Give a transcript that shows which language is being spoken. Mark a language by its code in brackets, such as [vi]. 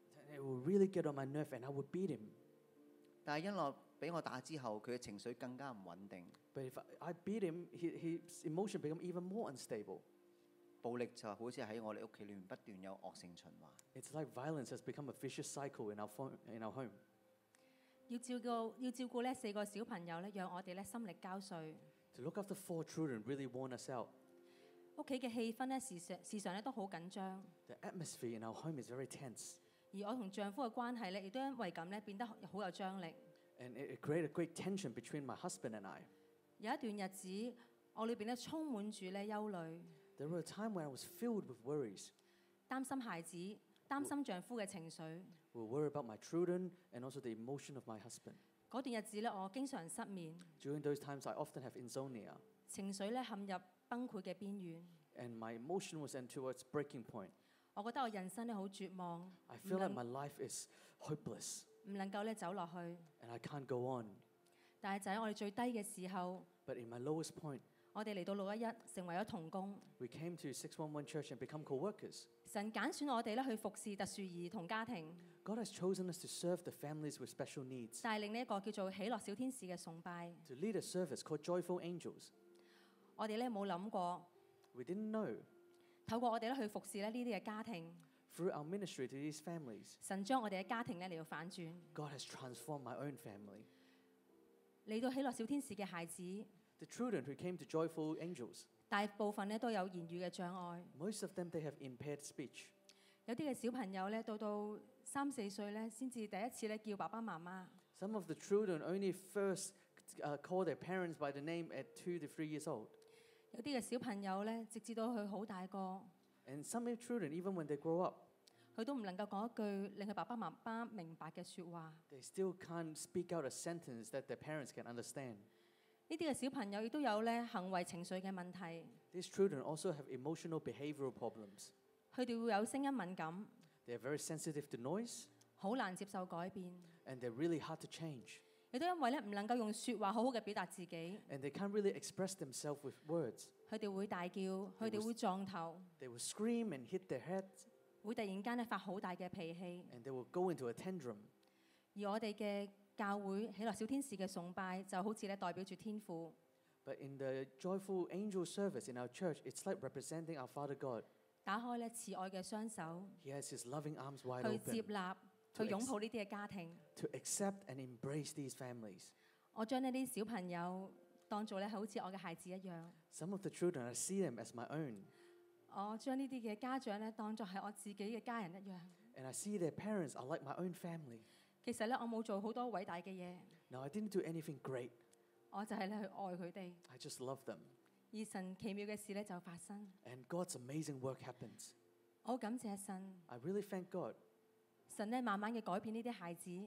[en] It will really get on my nerve and I would beat him。 [yue] 但係恩樂俾我打之後，佢嘅情緒更加唔穩定。 [en] But if I beat him, his emotion become even more unstable。 [yue] 暴力就好似喺我哋屋企裏面不斷有惡性循環。 [en] It's like violence has become a vicious cycle in our home。 [yue] 要照顧咧四個小朋友咧，讓我哋咧心力交瘁。 [en] To look after four children really worn us out。 [yue] 屋企嘅氣氛咧時常咧都好緊張。 [en] The atmosphere in our home is very tense。 [yue] 而我同丈夫嘅關係咧，亦都因為咁咧變得好有張力。 [en] And it created a great tension between my husband and I。 [yue] 有一段日子，我裏邊咧充滿住咧憂慮。 [en] There were a time when I was filled with worries. [yue] 擔心孩子，擔心丈夫嘅情緒。 [en] We worry about my children and also the emotion of my husband. [yue] 嗰段日子咧，我經常失眠。 [en] During those times, I often have insomnia. [yue] 情緒咧陷入崩潰嘅邊緣。 [en] And my emotion was into a breaking point. [yue] 我覺得我人生咧好絕望。 [en] I feel like my life is hopeless. [yue] 唔能夠咧走落去。 [en] And I can't go on. [yue] 但係就喺我哋最低嘅時候。 [en] But in my lowest point. [yue] 我哋嚟到六一一，成为咗童工。 [en] We came to 611 Church and become co-workers. [yue] 神拣选我哋咧去服侍特殊儿童家庭。 [en] God has chosen us to serve the families with special needs. [yue] 带领呢一个叫做喜乐小天使嘅崇拜。 [en] To lead a service called Joyful Angels. [yue] 我哋咧冇谂过。 [en] We didn't know. [yue] 透过我哋咧去服侍咧呢啲嘅家庭。 [en] Through our ministry to these families. [yue] 神将我哋嘅家庭咧嚟到反转。 [en] God has transformed my own family. [yue] 嚟到喜乐小天使嘅孩子。 [en] The children who came to Joyful Angels. [yue] 大部分咧都有言语嘅障碍。 [en] Most of them they have impaired speech. [yue] 有啲嘅小朋友咧到三四岁咧先至第一次咧叫爸爸妈妈。 [en] Some of the children only first call their parents by the name at 2 to 3 years old. [yue] 有啲嘅小朋友咧直至到佢好大个。 [en] And some of the children even when they grow up. [yue] 佢都唔能够讲一句令佢爸爸妈妈明白嘅说话。 [en] They still can't speak out a sentence that their parents can understand. [yue] 呢啲嘅小朋友亦都有咧行為情緒嘅問題。 [en] These children also have emotional behavioural problems. [yue] 佢哋會有聲音敏感。 [en] They are very sensitive to noise. [yue] 好難接受改變。 [en] And they're really hard to change. [yue] 亦都因為咧唔能夠用説話好好嘅表達自己。 [en] And they can't really express themselves with words. [yue] 佢哋會大叫，佢哋會撞頭。 [en] They will scream and hit their heads. [yue] 會突然間咧發好大嘅脾氣。 [en] And they will go into a tantrum. [yue] 而我哋嘅教会喜乐小天使嘅崇拜就好似咧代表住天父。 [en] But in the joyful angel service in our church, it's like representing our Father God. [yue] 打开咧慈爱嘅双手。 [en] He has his loving arms wide open. [yue] 去接纳，去拥抱呢啲嘅家庭。 [en] To accept and embrace these families. [yue] 我将呢啲小朋友当做咧好似我嘅孩子一样。 [en] Some of the children I see them as my own. [yue] 我将呢啲嘅家长咧当作系我自己嘅家人一样。 [en] And I see their parents are like my own family. [yue] 其實咧，我冇做好多偉大嘅嘢。 [en] No, I didn't do anything great. [yue] 我就係咧去愛佢哋。 [en] I just love them. [yue] 而神奇妙嘅事咧就發生。 [en] And God's amazing work happens. [yue] 我感謝神。 [en] I really thank God. [yue] 神咧慢慢嘅改變呢啲孩子。